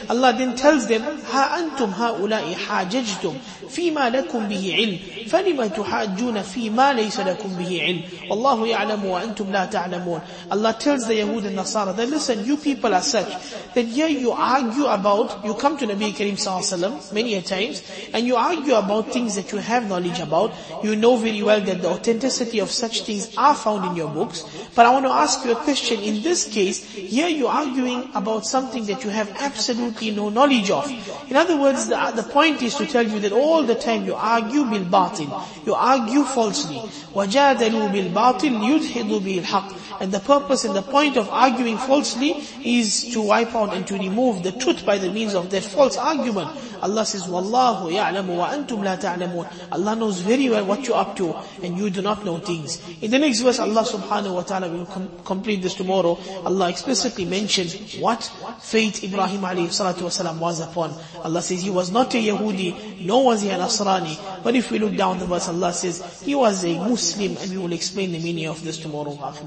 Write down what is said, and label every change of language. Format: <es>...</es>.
<en>Allah then tells them,</en> <ar>هَا أَنْتُمْ هَؤُلَاءِ حَاجَجْتُمْ فِي مَا لَكُمْ بِهِ عِلْمٍ فَلِمَ تُحَاجُّونَ فِي مَا لَيْسَ لَكُمْ بِهِ عِلْمٍ وَاللَّهُ يَعْلَمُ وَأَنْتُمْ لَا تَعْلَمُونَ.</ar> <en>Allah tells the Yahud and Nasara that listen, you people are such that here you argue about, you come to Nabi Kareem sallallahu alayhi wa sallam many a times and you argue about things that you have knowledge about. You know very well that the authenticity of such things are found in your books. But I want to ask you a question. In this case, here you are arguing about something that you have absolutely no knowledge of. In other words, the point is to tell you that all the time you argue bil-batil.</en> <ar>batil.</ar> <en>You argue falsely.</en> <ar>وَجَادَلُوا بِالْبَاطِلْ يُدْحِضُ بِهِ الْحَقِّ.</ar> <en>And the purpose and the point of arguing falsely is to wipe out and to remove the truth by the means of that false argument. Allah says,</en> <ar>وَاللَّهُ يَعْلَمُ وَأَنْتُمْ لَا تَعْلَمُونَ.</ar> <en>Allah knows very well what you're up to, and you do not know things. In the next verse, Allah subhanahu wa ta'ala will complete this tomorrow. Allah explicitly mentioned what faith Ibrahim alayhi salatu wasalam was upon. Allah says he was not a Yahudi, nor was he a Nasrani. But if we look down the verse, Allah says he was a Muslim, and we will explain the meaning of this tomorrow.</en>